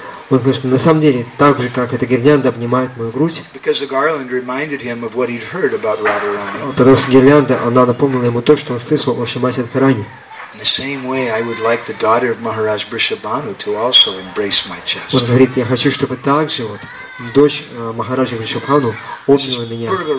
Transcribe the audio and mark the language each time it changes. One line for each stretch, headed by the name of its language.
Russian: Он говорит, что на самом деле, так же, как эта гирлянда обнимает мою грудь, потому что гирлянда, она напомнила ему то, что он слышал о Шримати Радхарани.
English: In the same way, I would like the daughter of Maharaj Vrishabhanu to also embrace my chest.
Russian: Он говорит, я хочу, чтобы также вот дочь Махараджа Вришабхану обняла меня.